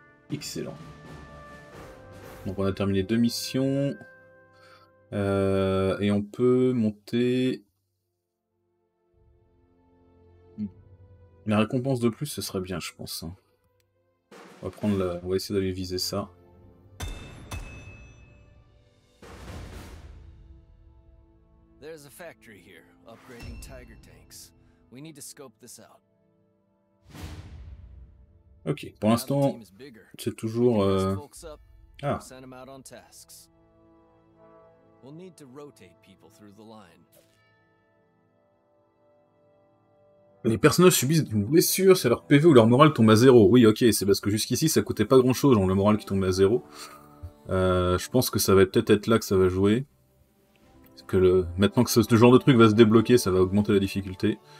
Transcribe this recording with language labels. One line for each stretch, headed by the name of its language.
French: Excellent. Donc on a terminé deux missions. Et on peut monter... La récompense de plus, ce serait bien, je pense. On va essayer d'aller viser ça.
English: There's a factory here, upgrading Tiger tanks. We need to scope this out.
French: Ok, pour l'instant, c'est toujours...
English: Send them out on tasks. We'll need to rotate people through the line.
French: Les personnages subissent une blessure, c'est leur PV ou leur morale tombe à zéro. Oui, ok, c'est parce que jusqu'ici, ça coûtait pas grand-chose, genre le moral qui tombait à zéro. Je pense que ça va peut-être être là que ça va jouer. Maintenant que ce genre de truc va se débloquer, ça va augmenter la difficulté.